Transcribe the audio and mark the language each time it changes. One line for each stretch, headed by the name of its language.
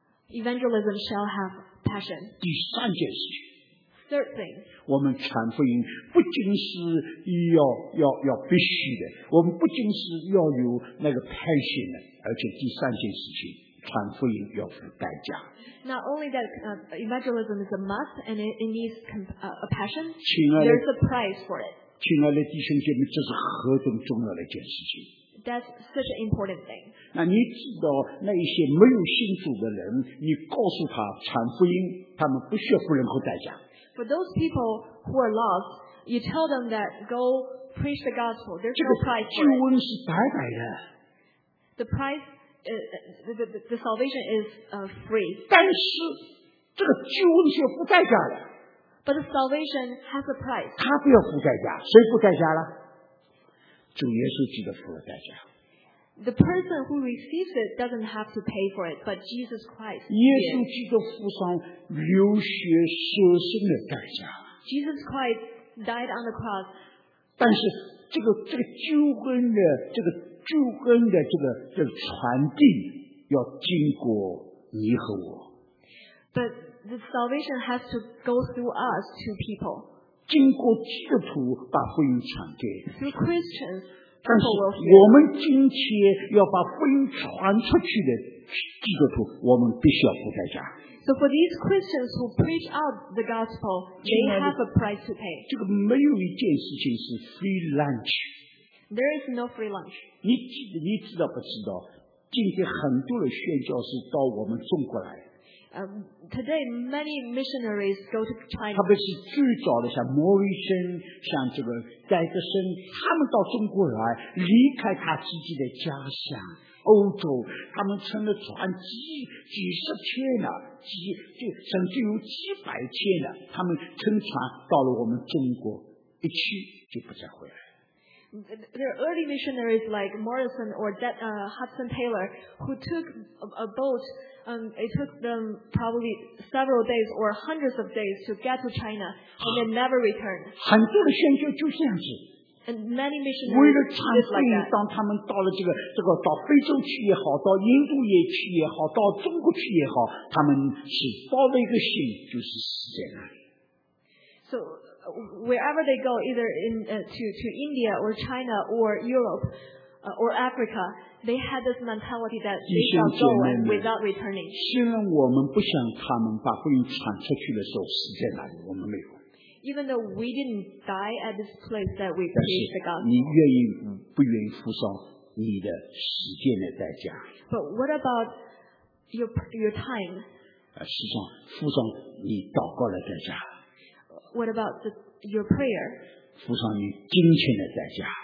English: Evangelism shall have passion.
Chinese: 第三件事情。
English: Third thing.
Chinese: 我们传福音不仅是要必须的，我们不仅是要有那个派遣的，而且第三件事情，传福音要付代价。
English: Not only that, evangelism is a must and it needs a passion.
Chinese: 亲爱的，
English: there's a price for it.
Chinese: 亲爱的弟兄姐妹，这是何等重要的一件事情。
English: That's such an important thing.
Chinese: 那你知道那一些没有信主的人，你告诉他传福音，他们不需要付任何代价。
English: For those people who are lost, you tell them that go preach the gospel. There's no price for it.
Chinese: 这个救恩是白白的。
English: The price, the salvation is free.
Chinese: 但是这个救恩是不代价的。
English: But the salvation has a price.
Chinese: 他不要付代价，谁付代价了？主耶稣基督付了代价。
English: The person who receives it doesn't have to pay for it, but Jesus Christ.
Chinese: 耶稣基督付上流血舍身的代价。
English: Jesus Christ died on the cross.
Chinese: 但是这个救恩的这个传递要经过你和我。
English: But the salvation has to go through us to people.
Chinese: 经过基督徒把福音传给。
English: Through Christians.
Chinese: 但是我们今天要把福音传出去的基督徒，我们必须要付代价。
English: So for these Christians who preach out the gospel, they have a price to pay.
Chinese: 这个没有一件事情是
English: free lunch. There is no free lunch.
Chinese: 你知道不知道？今天很多的宣教士到我们中国来。
English: Today many missionaries go to China.
Chinese: 特别是最早的像 Morrison 像这个戴德森，他们到中国来，离开他自己的家乡欧洲，他们乘了船几十天了，甚至有几百天了，他们乘船到了我们中国，一去就不再回来。
English: There are early missionaries like Morrison or Hudson Taylor who took a boat. It took them probably several days or hundreds of days to get to China, and they never returned.
Chinese: 很多的宣教就这样子。
English: And many missionaries did like that.
Chinese: 为了传福音，当他们到了这个到非洲去也好，到印度也去也好，到中国去也好，他们是抱着一个心，就是死在那里。
English: So. Wherever they go, either in, to India or China or Europe, or Africa, they had this mentality that they shall go without returning.
Chinese: 虽然我们不想他们把福音传出去的时候死在哪里，我们没有。
English: Even though we didn't die at this place that we preached the gospel.
Chinese: 你愿意不愿意付上你的时间的代价？
English: But what about your time?
Chinese: 实际上付上你祷告的代价。
English: What about your prayer?
Chinese: 付上你金钱的代价。